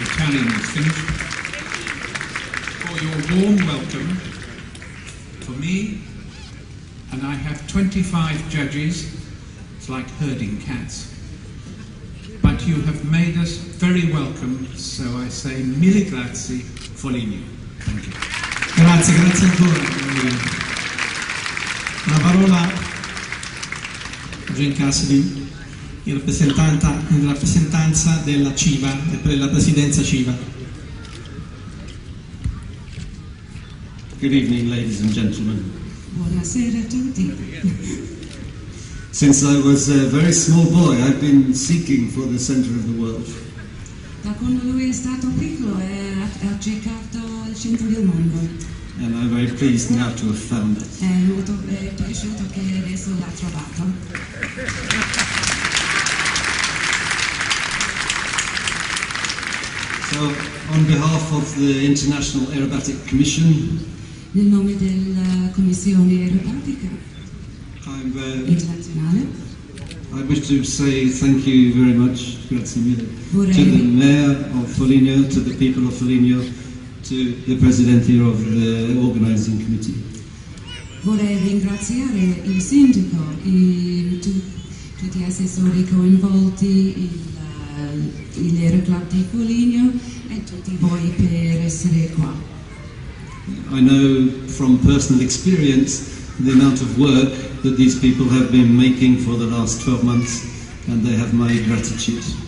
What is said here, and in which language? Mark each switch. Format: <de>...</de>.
<en>for your warm welcome, for me, and I have 25 judges, it's like herding cats. But you have made us very welcome, so I say</en> <it>mille grazie,</it> <en>Foligno. Thank you.</en> <it>Grazie, grazie ancora. La parola a Jane Cassidy, in rappresentanza della CIVA, della presidenza CIVA.</it> <en>Good evening, ladies and gentlemen.</en> <it>Buonasera a sera tutti.</it> <en>Since I was a very small boy, I've been seeking for the center of the world.</en> <it>Da quando lui è stato piccolo, ha cercato il centro del mondo.</it> <en>And I'm very pleased now to have found it.</en> <it>È molto piaciuto che adesso l'ha trovato.</it> <en>So, on behalf of the International Aerobatic Commission,</en> <it>nel nome della Commissione Aerobatica,</it> <en>I wish to say thank you very much,</en> <it>grazie mille,</it> <en>to the mayor of Foligno, to the people of Foligno, to the president here of the organizing committee.</en> <it>Vorrei ringraziare il sindaco e tutti gli assessori coinvolti, il aeroclub di Foligno e tutti voi per essere qua.</it> <en>I know from personal experience the amount of work that these people have been making for the last 12 months, and they have my gratitude.</en>